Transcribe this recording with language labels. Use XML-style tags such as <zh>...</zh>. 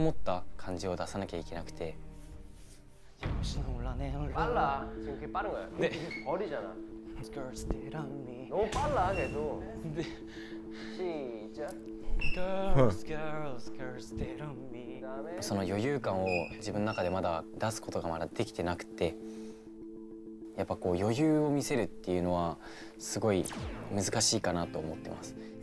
<ja>曲はすごい余裕を持った感じを出さなきゃいけなくて</ja> <ko>빨라 지금 그렇게 빠른 거야 네 버리잖아 너무 빨라 계속 네 시작</ko> <ja>その余裕感を自分の中でまだ出すことがまだできてなくて やっぱこう余裕を見せるっていうのはすごい難しいかなと思ってます</ja>